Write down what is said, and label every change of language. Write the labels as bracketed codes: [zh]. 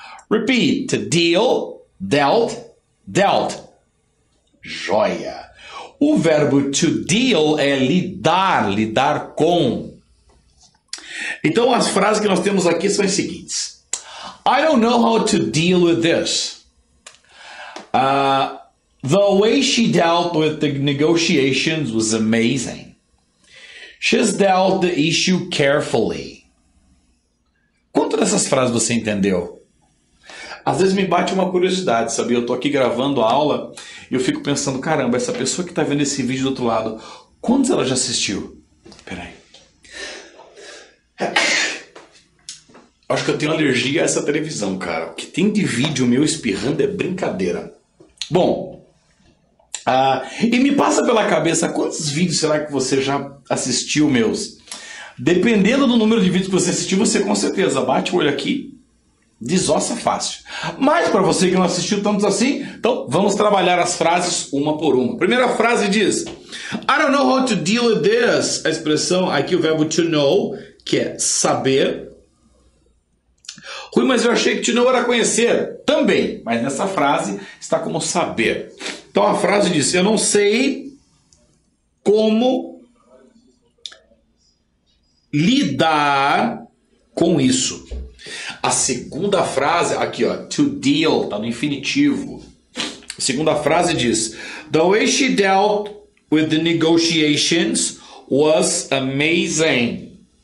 [en] Repeat, to deal, dealt, dealt. Joia. [pt] O verbo to deal é lidar, lidar com. Então as frases que nós temos aqui são as seguintes. [en] I don't know how to deal with this. The way she dealt with the negotiations was amazing. She's dealt the issue carefully. [pt] Quanto dessas frases você entendeu? Às vezes me bate uma curiosidade, sabia? Eu tô aqui gravando a aula e eu fico pensando, caramba, essa pessoa que tá vendo esse vídeo do outro lado, quantos ela já assistiu? Peraí. Acho que eu tenho alergia a essa televisão, cara. O que tem de vídeo meu espirrando é brincadeira. Bom, e me passa pela cabeça, quantos vídeos será que você já assistiu meus? Dependendo do número de vídeos que você assistiu, você com certeza bate o olho aqui. Desossa fácil. Mas para você que não assistiu tantos assim, então vamos trabalhar as frases uma por uma. Primeira frase diz: [en] I don't know how to deal with this. [pt] A expressão aqui, o verbo to know, que é saber. Rui, mas eu achei que to know era conhecer. Também, mas nessa frase está como saber. Então a frase diz: eu não sei como lidar com isso. A segunda frase, aqui ó, to deal, tá no infinitivo. A segunda frase diz, [en] the way she dealt with the negotiations was amazing.